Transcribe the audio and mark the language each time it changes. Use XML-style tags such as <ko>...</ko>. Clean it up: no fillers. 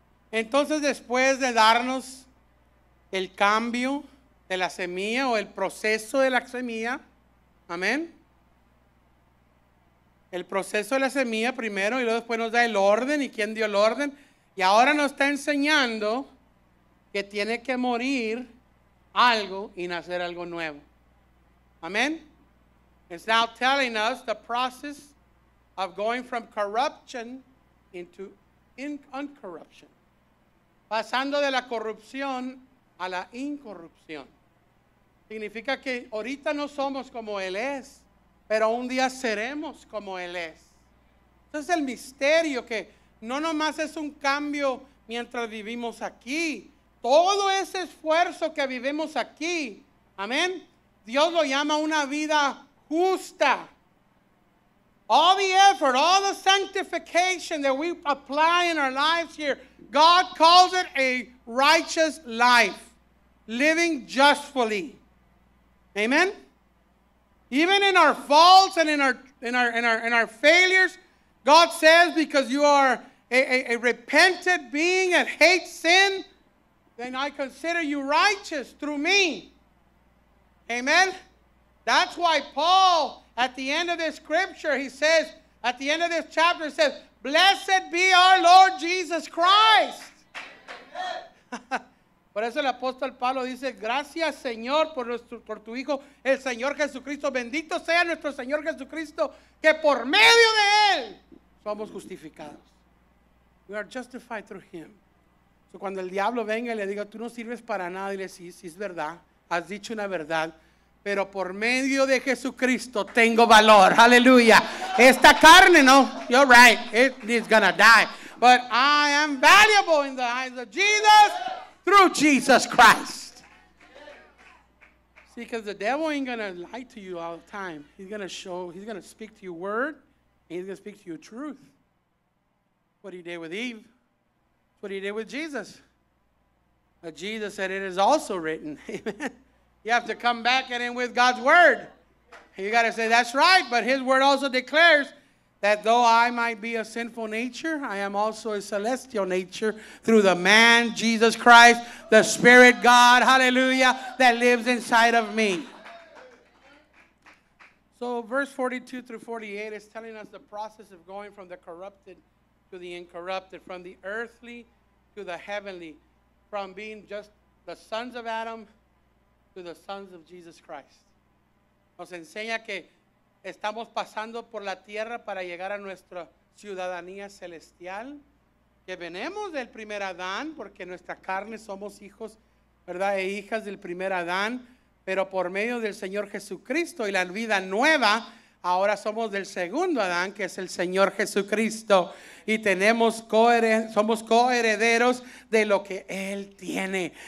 <es>Entonces, después de darnos el cambio de la semilla o el proceso de la semilla, amén. El proceso de la semilla primero, y luego después nos da el orden y quién dio el orden. Y ahora nos está enseñando que tiene que morir algo y nacer algo nuevo. Amén.</es> <en>It's now telling us the process of going from corruption into incorruption.</en> <es>Pasando de la corrupción a la incorrupción. Significa que ahorita no somos como Él es, pero un día seremos como Él es. Entonces el misterio, que no nomás es un cambio mientras vivimos aquí. Todo ese esfuerzo que vivimos aquí, amén, Dios lo llama una vida justa.</es> <en>All the effort, all the sanctification that we apply in our lives here, God calls it a righteous life, living justly. Amen. Even in our faults and in our failures, God says, because you are a repentant being and hate sin, then I consider you righteous through me. Amen. That's why Paul, at the end of this scripture, he says, at the end of this chapter, he says, blessed be our Lord Jesus Christ.</en> <es>Por eso el apóstol Pablo dice, gracias Señor por tu Hijo, el Señor Jesucristo. Bendito sea nuestro Señor Jesucristo, que por medio de Él somos justificados.</es> <en>We are justified through Him.</en> <es>So cuando el diablo venga y le diga, tú no sirves para nada, y le dice, sí, es verdad, has dicho una verdad, pero por medio de Jesucristo tengo valor. Aleluya. Esta carne, no,</es> <en>you're right, it's gonna die. But I am valuable in the eyes of Jesus. Through Jesus Christ. See, because the devil ain't going to lie to you all the time. He's going to show, he's going to speak to you word, and he's going to speak to you truth. What he did with Eve, what he did with Jesus. But Jesus said, it is also written. You have to come back and in with God's word. You got to say, that's right. But his word also declares that though I might be a sinful nature, I am also a celestial nature through the man, Jesus Christ, the Spirit God, hallelujah, that lives inside of me. So verse 42 through 48 is telling us the process of going from the corrupted to the incorrupted, from the earthly to the heavenly, from being just the sons of Adam to the sons of Jesus Christ.</en> <es>Nos enseña que estamos pasando por la tierra para llegar a nuestra ciudadanía celestial, que venimos del primer Adán, porque nuestra carne somos hijos, ¿verdad?, e hijas del primer Adán, pero por medio del Señor Jesucristo y la vida nueva, ahora somos del segundo Adán, que es el Señor Jesucristo, y tenemos somos coherederos de lo que Él tiene.</es>